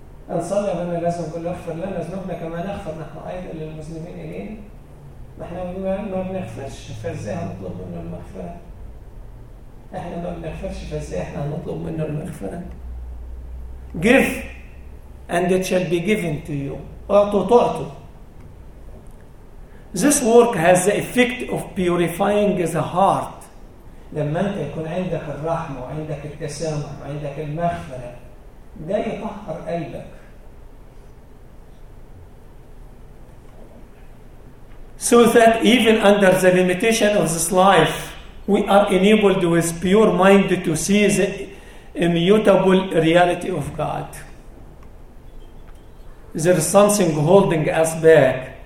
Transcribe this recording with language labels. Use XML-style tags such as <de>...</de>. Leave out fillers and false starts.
<ar>أنصلي أبانا اللازم بيقول اغفر لنا ذنوبنا كما نغفر نحن أيضا للمسلمين إلينا، نحن ما بنغفرش، فازاي هنطلب منه المغفرة؟ احنا ما بنغفرش، فازاي احنا هنطلب منه المغفرة؟</ar> <en>Give and it shall be given to you.</en> <ar>اعطوا تعطوا.</ar> <en>This work has the effect of purifying the heart.</en> <ar>لما انت يكون عندك الرحمة وعندك التسامح وعندك المغفرة، ده يطهر قلبك.</ar> <en>So that even under the limitation of this life, we are enabled with pure mind to see the immutable reality of God. There is something holding us back,</en>